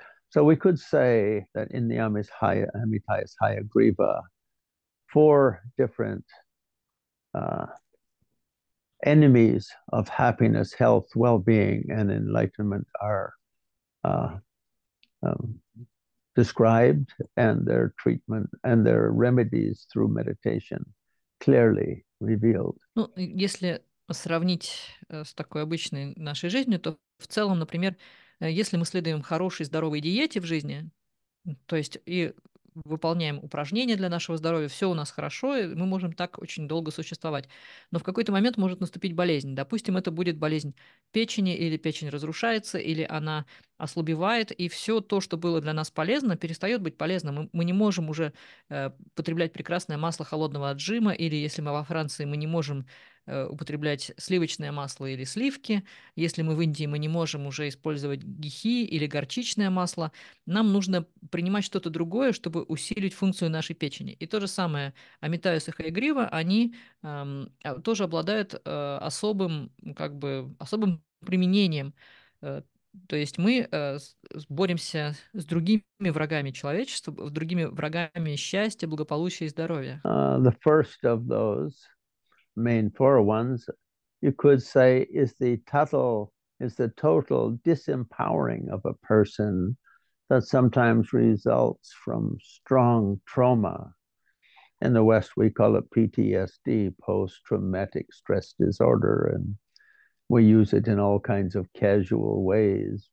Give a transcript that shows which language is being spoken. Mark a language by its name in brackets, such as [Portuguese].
[English] So we could say that in the Amitāya Hayagriva, four different enemies of happiness, health, well-being, and enlightenment are described, and their treatment and their remedies through meditation clearly revealed. [Russian] Ну, если сравнить с такой обычной нашей жизнью, то в целом, например, если мы следуем хорошей, здоровой диете в жизни, то есть и выполняем упражнения для нашего здоровья, все у нас хорошо, и мы можем так очень долго существовать. Но в какой-то момент может наступить болезнь. Допустим, это будет болезнь печени, или печень разрушается, или она ослабевает, и все то, что было для нас полезно, перестает быть полезным. Мы не можем уже потреблять прекрасное масло холодного отжима, или если мы во Франции, мы не можем употреблять сливочное масло или сливки. Если мы в Индии, мы не можем уже использовать гихи или горчичное масло. Нам нужно принимать что-то другое, чтобы усилить функцию нашей печени. И то же самое Амитаюса Хаягрива, они тоже обладают особым, как бы, особым применением. То есть мы боремся с другими врагами человечества, с другими врагами счастья, благополучия и здоровья. [English] The first of those main four ones, you could say, is the total disempowering of a person that sometimes results from strong trauma. In the West, we call it PTSD, post-traumatic stress disorder, and we use it in all kinds of casual ways.